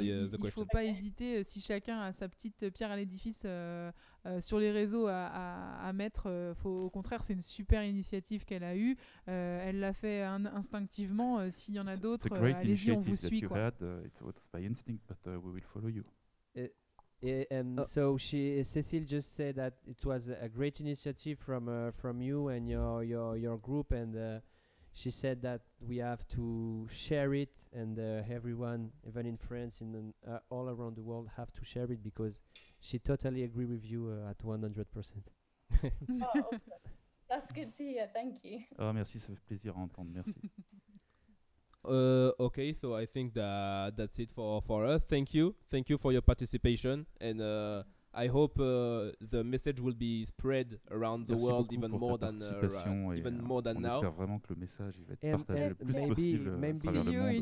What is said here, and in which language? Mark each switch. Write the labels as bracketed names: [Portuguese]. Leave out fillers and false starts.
[French] Il faut pas hésiter si chacun a sa petite pierre à l'édifice sur les réseaux à mettre. Faut, au contraire, c'est une super initiative qu'elle a eue. Elle l'a fait instinctivement. S'il y en a d'autres, allez-y, on vous suit. [English] It's by instinct, but we will follow you. So Cécile just said that it was a great initiative from you and your group, and she said that we have to share it, and everyone, even in France and all around the world, have to share it, because she totally agrees with you at 100%. Oh, okay. That's good to hear. Thank you. [French] Oh, merci, ça fait plaisir à entendre. Merci. [English] Okay, so I think that's it for us. Thank you for your participation, and I hope the message will be spread around [French] merci [English] the world even more than even more than now. [French] J'espère vraiment que le message il va être partagé le plus possible à travers le monde.